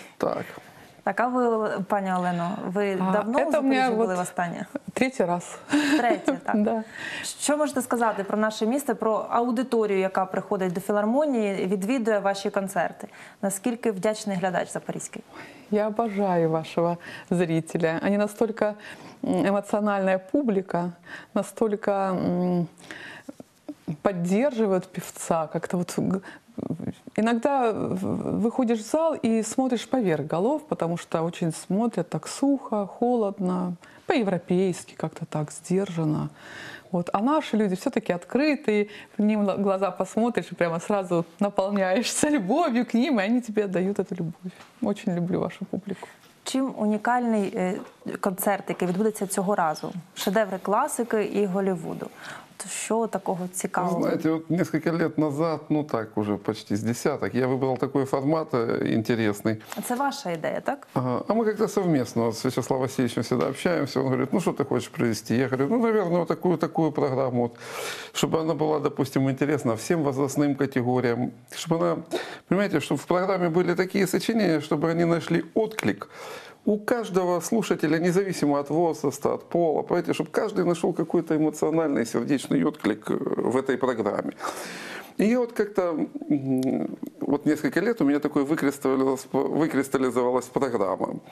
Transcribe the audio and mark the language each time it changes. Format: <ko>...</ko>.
<uk>Так. Так, а ви, пані Олено, ви давно у Запоріжжі були востаннє? Третій раз. Третій, так.</uk> <ru>Да.</ru> <uk>Що можете сказати про наше місто, про аудиторію, яка приходить до філармонії, відвідує ваші концерти? Наскільки вдячний глядач запорізький? Я обожаю вашого зрителя. Вони настільки емоціональна публіка, настільки підтримують певця, як-то от...</uk> <ru>Иногда выходишь в зал и смотришь поверх голов, потому что очень смотрят так сухо, холодно, по-европейски как-то так сдержанно. Вот. А наши люди все-таки открытые, в ним глаза посмотришь и прямо сразу наполняешься любовью к ним, и они тебе отдают эту любовь. Очень люблю вашу публику.</ru> <uk>Чим унікальний концерт, який відбудеться цього разу? Шедеври класики і Голлівуду. Що такого цікавого? Знаєте, от кілька років назад, ну так, уже почти з десяток, я вибрав такий формат інтересний. А це ваша ідея, так? А ми як-то совмісно з В'ячеславом Васильовичем завжди общаємося. Він говорить, ну що ти хочеш привести? Я говорю, ну, наверное, от таку програму, от, щоб вона була, допустимо, інтересна всім возрастним категоріям. Щоб вона, розумієте, щоб в програмі були такі сочинення, щоб вони знайшли відклик.</uk> <ru>У каждого слушателя, независимо от возраста, от пола, понимаете, чтобы каждый нашел какой-то эмоциональный, сердечный отклик в этой программе. И я вот как-то, вот несколько лет у меня такое выкристаллизовалась программа.</ru>